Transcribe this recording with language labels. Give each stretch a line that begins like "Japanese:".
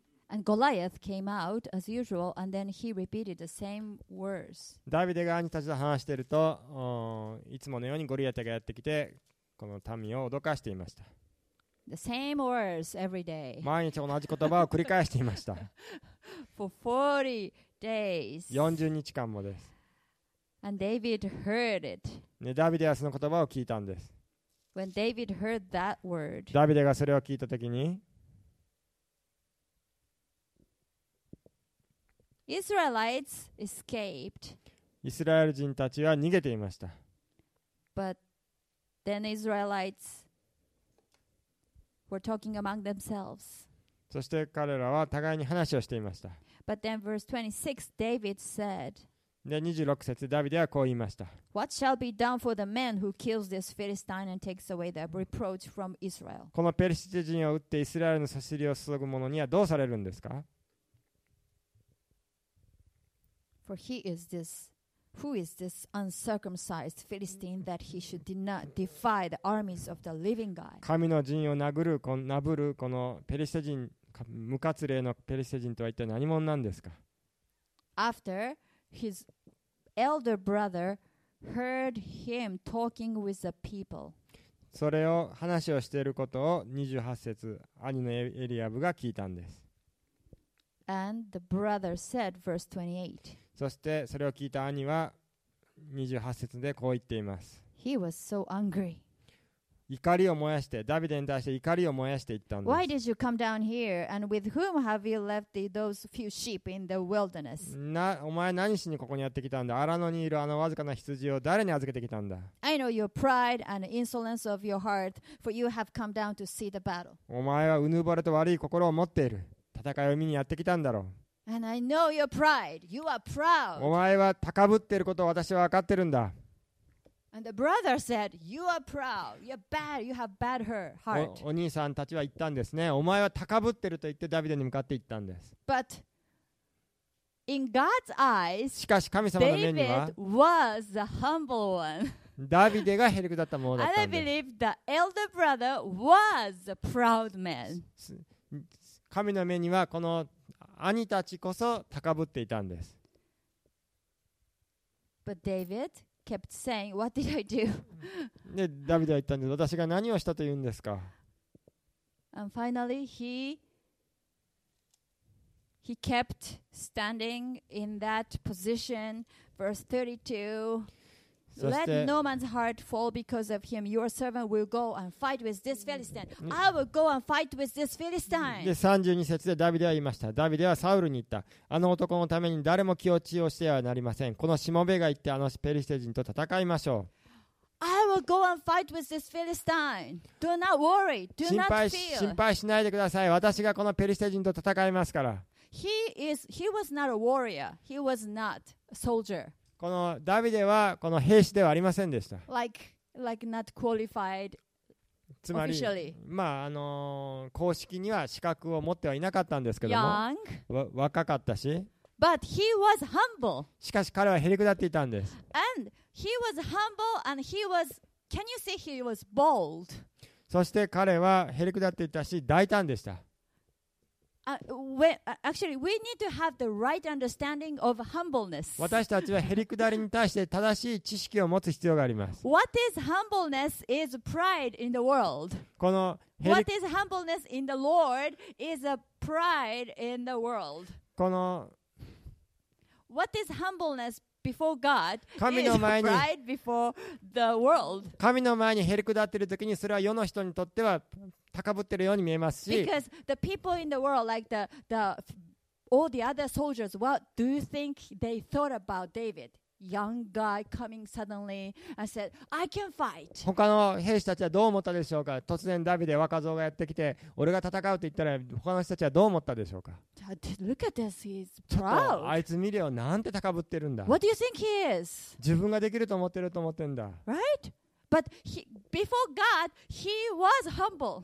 English: And Goliath came out as usual, and then he repeated the same words.
Japanese: ダビデが兄たちと話していると、いつものようにゴリアテがやってきて、この民を脅かしていました。
English: The same words every day.
Japanese: 毎日同じ言葉を繰り返していました。
English: For 40 days.
Japanese: 40日間もです。
English: And David heard it.
Japanese: ね、ダビデはその言葉を聞いたんです。
English: When David heard that word,
Japanese: ダビデがそれを聞いたときに、
English: Israelites escaped.
Japanese: イスラエル人たちは逃げていました。
English: But then Israelites were talking among themselves.
Japanese: そして彼らは互いに話をしていました。
English: But then verse 26, David said.
Japanese: で26節、ダビデはこう言いました。
English: What shall be done for the man who kills this Philistine and takes away the reproach from Israel?
Japanese: このペリシテ人を撃ってイスラエルのさしりを注ぐ者にはどうされるんですか？
English: For he is this, who is this uncircumcised Philistine that he should defy the armies of the living God?
Japanese: 神の陣を殴るこのペリシテ人、無活霊のペリシテ人とは一体何者なんですか？
English: AfterHis elder brother heard him talking with the people.
Japanese: それを話をしていることを28節、兄のエリアブが聞いたんです。
English: And the brother said, verse 28.
Japanese: そしてそれを聞いた兄は28節でこう言っています。
English: He was so angry.
Japanese: 怒りを燃やして、ダビデに対して怒りを燃やしていったんです。
English: Why did you come down here? And with whom have you left those few sheep in the wilderness?
Japanese: お前何しにここにやってきたんだ。荒野にいるあのわずかな羊を誰に預けてきたんだ。
English: I know your pride and insolence of your heart, for you have come down to see the battle.
Japanese: お前はうぬぼれと悪い心を持っている。戦いを見にやってきたんだろう。
English: And I know your pride. You are proud.
Japanese: お前は高ぶっていることを私は分かってるんだ。
English: And the brother said, "You are proud. You're bad. You have bad heart."
Japanese: お兄さんたちは言ったんですね。お前は高ぶってると言ってダビデに向かって言ったんです。
English: But in God's eyes,
Japanese: しかし神様の目には、
English: David was the humble one.
Japanese: ダビデがへりくだったものだったんです。
English: And I believe the elder brother was a proud man.
Japanese: 神の目にはこの兄たちこそ高ぶっていたんです。
English: But David. Kept saying, "What did I do?"
Japanese: で、ダビデは言ったんです。私が何をしたというんですか。
English: And finally, he kept standing in that position. Verse 32. Let no man's heart fall because of him. Your servant will go and fight with this Philistine. I will go and fight with this Philistine.
Japanese: で、32節でダビデは言いました。ダビデはサウルに言った。あの男のために誰も気落ちをしてはなりません。このしもべが言ってあのペリシテ人と戦いましょう。
English: I will go and fight with this Philistine. Do not worry. Do not fear.
Japanese: 心配しないでください。私がこのペリシテ人と戦いますから。
English: He was not a warrior. He was not a soldier.
Japanese: このダビデはこの兵士ではありませんでした。
English: Like not qualified.
Japanese: つまり、まあ公式には資格を持ってはいなかったんですけども、若かったし、
English: But he was humble.
Japanese: しかし彼はへりくだっていたんです。
English: And he was humble and he was, can you say he was bold?
Japanese: そして彼はへりくだっていたし大胆でした。
English: Actually, we need to have the right understanding of humbleness.
Japanese: 私たちはへりくだりに対して正しい知識を持つ必要があります。
English: What is humbleness is pride in the world. What is humbleness in the Lord is a pride in the world. What is humbleness before God is pride before the world.
Japanese: 神の前にへりくだっているときにそれは世の人にとっては高ぶってるように見えますし、
English: Because the people in the world, like all the other soldiers, what do you think they thought about David? Young guy coming suddenly and said, "I can fight."
Japanese: 他の兵士たちはどう思ったでしょうか。突然ダビデ若造がやってきて、俺が戦うと言ったら、他の人たちはどう思ったでしょうか。
English: Look at this. He's proud.
Japanese: あいつ見るよ、なんて高ぶってるんだ。
English: What do you think he is?
Japanese: 自分ができると思ってると思ってんだ。
English: Right? But before God, he was humble.